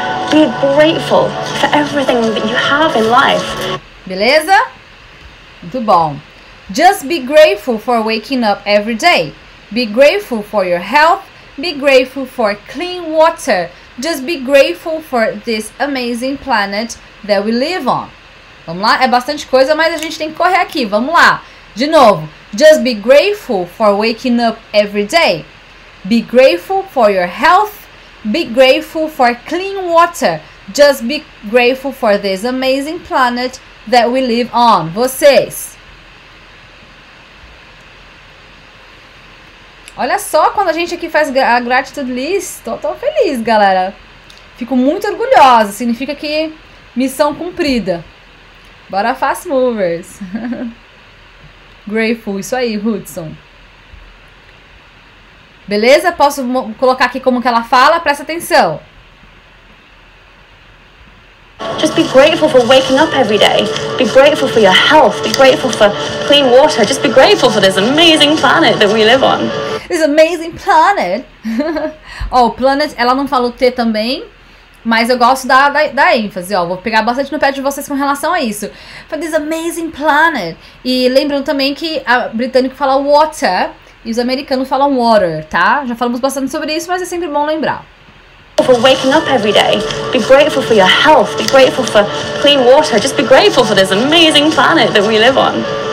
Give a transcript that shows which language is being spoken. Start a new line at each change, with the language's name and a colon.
English: Be grateful for everything that you have in life.
Portuguese: Beleza? Muito bom.
English: Just be grateful for waking up every day. Be grateful for your health. Be grateful for clean water. Just be grateful for this amazing planet that we live on.
Portuguese: Vamos lá? É bastante coisa, mas a gente tem que correr aqui. Vamos lá. De novo.
English: Just be grateful for waking up every day. Be grateful for your health. Be grateful for clean water. Just be grateful for this amazing planet that we live on.
Portuguese: Vocês. Olha só, quando a gente aqui faz a gratitude list, tô feliz, galera. Fico muito orgulhosa. Significa que missão cumprida. Bora, fast movers. Grateful, isso aí, Hudson. Beleza? Posso colocar aqui como que ela fala? Presta atenção.
English: Just be grateful for waking up every day. Be grateful for your health. Be grateful for clean water. Just be grateful for this amazing planet that we live on. This amazing planet.
Portuguese: Oh, planet, ela não falou T também. Mas eu gosto da ênfase, ó. Vou pegar bastante no pé de vocês com relação a isso.
English: For this amazing planet.
Portuguese: E lembrando também que a britânica fala water e os americanos falam water, tá? Já falamos bastante sobre isso, mas é sempre bom lembrar.
English: For waking up every day. Be grateful for your health. Be grateful for clean water. Just be grateful for this amazing planet that we live on.